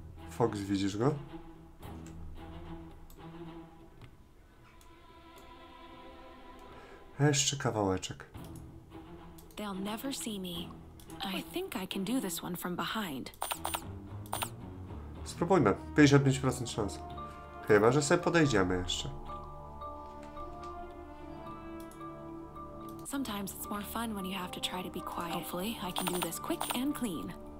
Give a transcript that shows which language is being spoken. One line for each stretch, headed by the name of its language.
Polish: Fox, widzisz go? Jeszcze kawałeczek.
English: They'll never see me. I think I can do this one from behind.
Polish: Spróbujmy. 55% szans. Chyba, że sobie podejdziemy jeszcze.
English: Sometimes it's more fun when you have to try to be quiet. Hopefully, I can do this quick and clean.